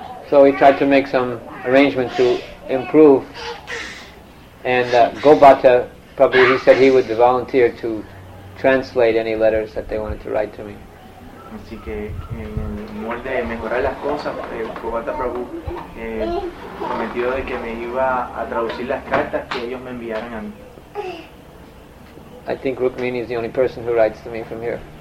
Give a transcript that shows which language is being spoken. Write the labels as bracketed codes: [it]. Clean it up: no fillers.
[en] So we tried to make some arrangements to improve, and Gobata Prabhu, he said he would volunteer to translate any letters that they wanted to write to me. [es] Así que en molde de mejorar las cosas, Gobata Prabhu prometió de que me iba a traducir las cartas que ellos me enviaran a mí. [en] I think Rukmini is the only person who writes to me from here.